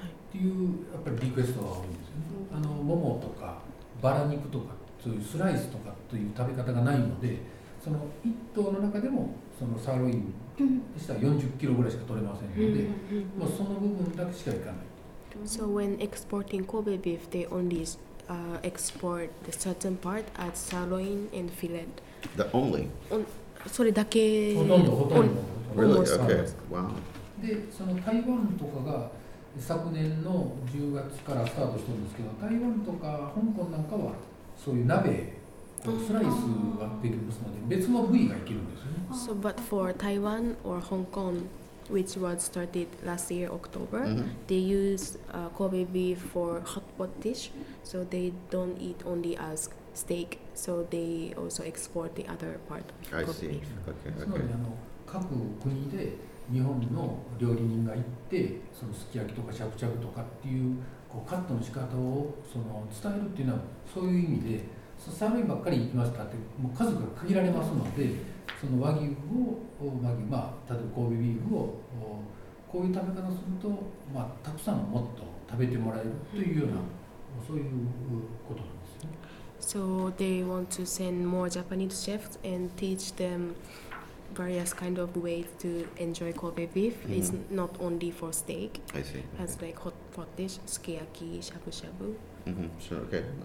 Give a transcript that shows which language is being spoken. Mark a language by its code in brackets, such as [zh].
[ja] っていうやっぱりリクエストが多いんですよね。あのももとかバラ肉とかそういうスライスとかという食べ方がないので、その1頭の中でもそのサーロインでしたら40キロぐらいしか取れませんので、もうその部分だけしかいかない。 [en] So when exporting Kobe beef, they only export the certain part as sirloin and fillet. The only? [ja] それだけ。ほとんど [en] Really? Okay. Wow. [ja] で、その台湾とかが昨年の10月からスタートしてるんですけど、台湾とか香港なんかはそういう鍋、スライスができますので、別の部位がいけるんですよね。 [en] So, but for Taiwan or Hong Kong, which was started last year, October,、mm-hmm. they use、Kobe beef for hot pot dish, so they don't eat only as steak, so they also export the other part of Kobe beef. I see. Okay. [ja] つまり、あの、各国で日本の料理人が行ってそのすき焼きとかしゃぶしゃぶとかっていう、 こうカットの仕方をその伝えるっていうのはそういう意味で、そのサーロインばっかり行きましたって、もう数が限られますので、その和牛を和牛、まあ、例えば神戸ビーフをこういう食べ方をすると、まあ、たくさんもっと食べてもらえるというような、そういうことなんですね。 [en] So they want to send more Japanese chefs and teach themvarious kind of ways to enjoy Kobe beef. Mm. It's not only for steak. I see. As okay. like hot pot dish, sukiyaki, shabu shabu. Mm-hmm. Sure. Okay.